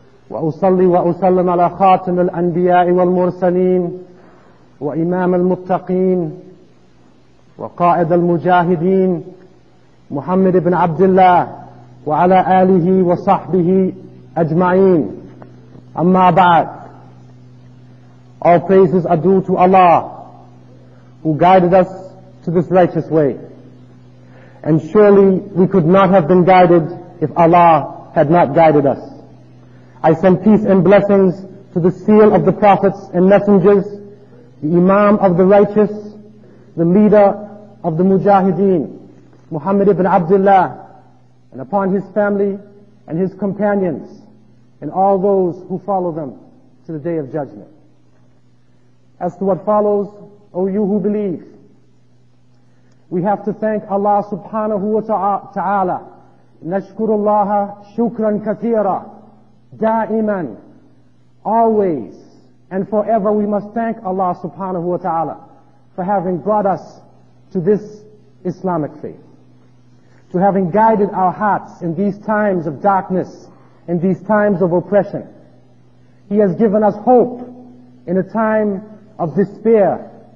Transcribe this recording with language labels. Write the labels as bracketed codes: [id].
[ar] وأصلي وأسلم على خاتم الأنبياء والمرسلين وإمام المتقين وقائد المجاهدين محمد بن عبد الله وعلى آله وصحبه أجمعين. أما بعد, [en] all praises are due to Allah who guided us to this righteous way. And surely we could not have been guided if Allah had not guided us. I send peace and blessings to the seal of the prophets and messengers, the Imam of the righteous, the leader of the Mujahideen, Muhammad ibn Abdullah, and upon his family and his companions and all those who follow them to the day of judgment. As to what follows, O you who believe, we have to thank Allah subhanahu wa ta'ala. [ar] نشكر الله شكرا كثيرا دائما. [en] Always and forever we must thank Allah subhanahu wa ta'ala for having brought us to this Islamic faith, to having guided our hearts in these times of darkness, in these times of oppression. He has given us hope in a time of despair.